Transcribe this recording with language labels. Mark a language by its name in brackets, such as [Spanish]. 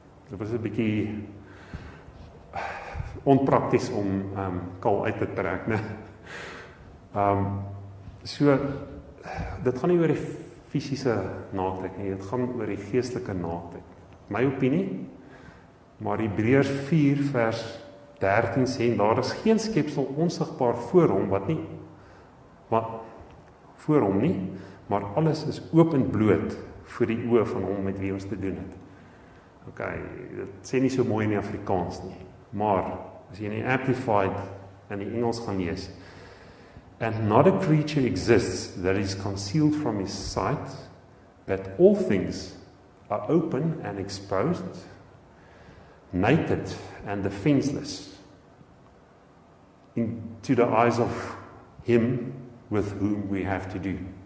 [Afrikaans] Dit was 'n bietjie onprakties om kal uit te trek. So, dit gaan nie oor die fisiese naaktheid nie, dit gaan oor die geestelike naaktheid. My opinie, Maar Hebreërs 4 vers 13 sê, daar is geen skepsel onsigbaar voor hom, wat nie, maar voor hom nie, maar alles is oop en bloot voor die oë van hom met wie ons te doen het. Ok, dit sê nie so mooi in die Afrikaans nie, maar as jy in die Amplified in die Engels gaan lees, [English] and not a creature exists that is concealed from his sight, but all things are open and exposed, naked and defenseless into the eyes of him with whom we have to do.